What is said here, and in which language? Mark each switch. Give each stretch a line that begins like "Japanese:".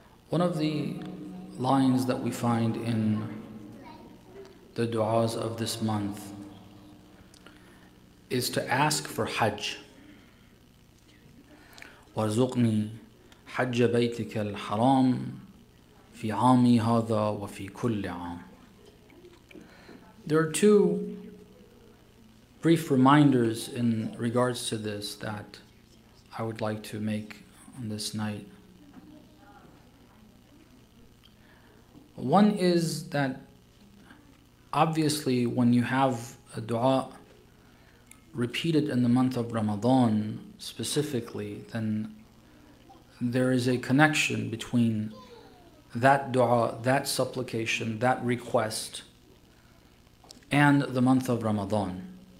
English: One of the lines that we find in the du'as of this month is to ask for Hajj.
Arabic: وارزقني حج بيتك الحرام في عامي هذا وفي كل عام.
English: There are two brief reminders in regards to this that I would like to make on this night. One is that obviously when you have a dua repeated in the month of Ramadan specifically, then there is a connection between that dua, that supplication, that request, and the month of Ramadan.